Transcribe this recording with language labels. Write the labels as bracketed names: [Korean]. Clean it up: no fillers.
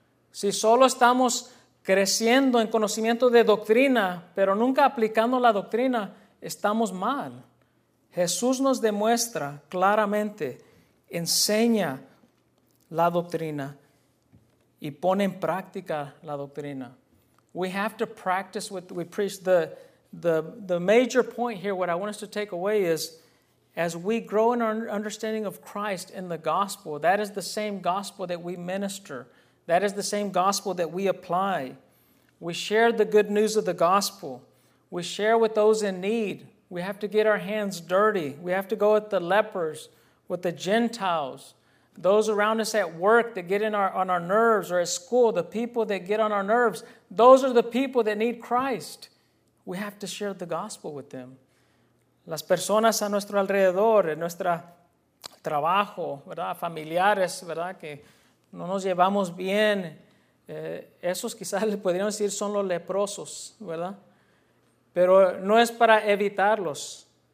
[Spanish] Si solo estamos creciendo en conocimiento de doctrina, pero nunca aplicando la doctrina, estamos mal. Jesús nos demuestra claramente, enseña la doctrina y pone en práctica la doctrina. [English] We have to practice what we preach. The major point here, what I want us to take away is, as we grow in our understanding of Christ in the gospel, that is the same gospel that we minister. That is the same gospel that we apply. We share the good news of the gospel. We share with those in need. We have to get our hands dirty. We have to go with the lepers, with the Gentiles, those around us at work that get on our nerves, or at school, the people that get on our nerves. Those are the people that need Christ. We have to share the gospel with them. [Spanish] Las personas a nuestro alrededor, en nuestro trabajo, ¿verdad? Familiares, ¿verdad? Que no nos llevamos bien. Esos quizás le podrían decir son los leprosos, ¿verdad? Pero no es para evitarlos.